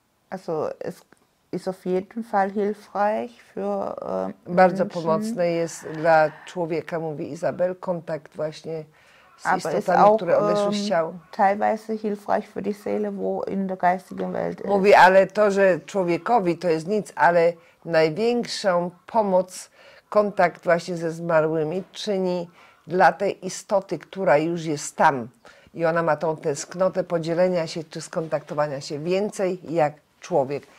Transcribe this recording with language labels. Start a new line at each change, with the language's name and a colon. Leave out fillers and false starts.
German: Also, es ist auf jeden Fall hilfreich für
Polish: bardzo pomocne jest dla człowieka, mówi Izabel, kontakt właśnie
German: aber ist auch teilweise hilfreich für die Seele, wo in der geistigen Welt ist.
Polish: Mówi, ale to, że człowiekowi to jest nic, ale największą pomoc, kontakt właśnie ze zmarłymi czyni dla tej istoty, która już jest tam. I ona ma tą tęsknotę podzielenia się czy skontaktowania się więcej jak człowiek.